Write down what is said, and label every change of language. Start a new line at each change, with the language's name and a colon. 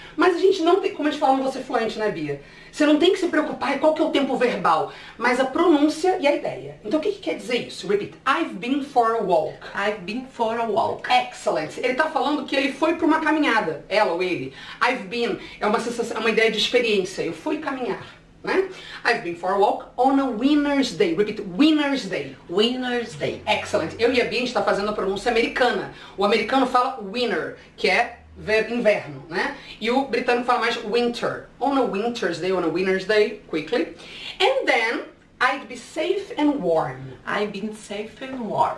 Portuguese: Mas a gente não tem, como a gente fala no Você Fluente, né, Bia? Você não tem que se preocupar em qual que é o tempo verbal, mas a pronúncia e a ideia. Então o que, que quer dizer isso?
English: Repeat. I've been for a walk. I've been for a walk. Excellent.
Portuguese: Ele tá falando que ele foi pra uma caminhada, ela ou ele.
English: I've been
Portuguese: é uma sensação, é uma ideia de experiência. Eu fui caminhar. Né?
English: I've been for a walk on a winter's day. Repeat, winter's day. Winter's day. Excellent.
Portuguese: Eu e a Bia, a gente tá fazendo a pronúncia americana. O americano fala winter, que é inverno, né? E o britânico fala mais
English: winter. On a winter's day, on a winter's day, quickly. And then, I'd be safe and warm. I've been safe and warm.